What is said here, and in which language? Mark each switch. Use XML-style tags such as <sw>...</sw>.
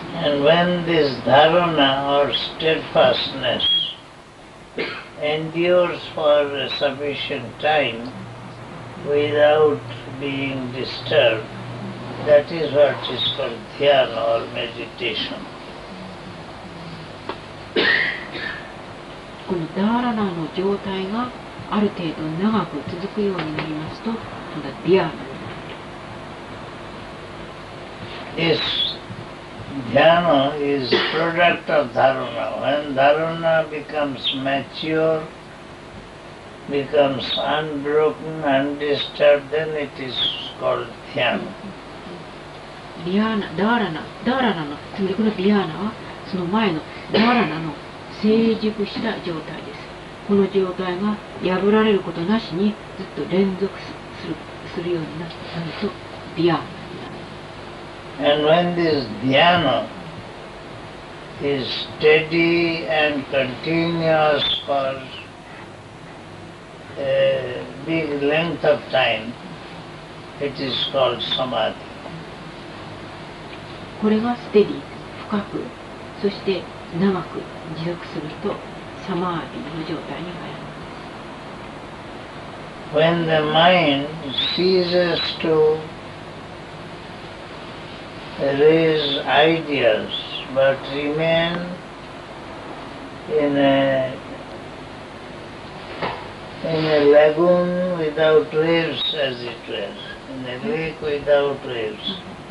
<en>And when this dharana or steadfastness endures for a sufficient time without being disturbed,That is what is called dhyana or meditation.</en> <ja>このダーラナの状態がある程度長く続くようになりますと、このディアーナ。</ja> <en>This dhyana is product of dharana. When dharana becomes mature, becomes unbroken, undisturbed, then it is called dhyana.</en> <ja>ディアーナ、ダーラナ、ダーラナの、つまりこのディアーナは、その前のダーラナの成熟した状態です。この状態が破られることなしに、ずっと連続するようになると、ディアーナになる。</ja> <en>And when this dhyana is steady and continuous for a big length of time, it is called samadhi.</en> <ja>これがステディ、深く、そして長く持続すると、サマーディの状態に入る。</ja> <en>When the mind ceases to raise ideas but remain in a lagoon without waves, as it were, in a lake without waves.</en>